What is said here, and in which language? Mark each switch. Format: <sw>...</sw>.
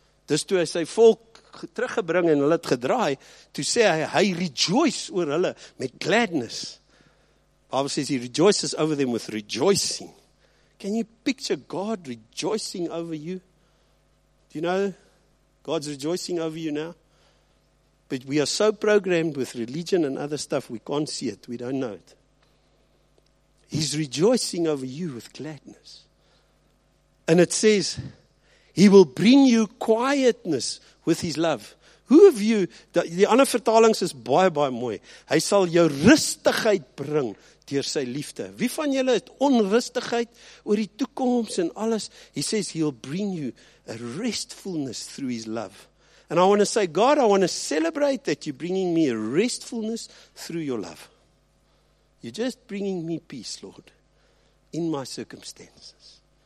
<af>Dis toe hy sy volk teruggebring en hulle het gedraai, toe sê hy, hy rejoice oor hulle met gladness.</af> <en>Bible says he rejoices over them with rejoicing. Can you picture God rejoicing over you? Do you know God's rejoicing over you now? But we are so programmed with religion and other stuff, we can't see it. We don't know it. He's rejoicing over you with gladness. And it says, he will bring you quietness with his love. Who of you,</en> <af>die ander vertalings is baie, baie mooi. Hy sal jou rustigheid bring deur sy liefde. Wie van julle het onrustigheid oor die toekoms en alles?</af> <en>He says, he'll bring you a restfulness through his love. And I want to say, God, I want to celebrate that you're bringing me a restfulness through your love. You're just bringing me peace, Lord, in my circumstances.</en>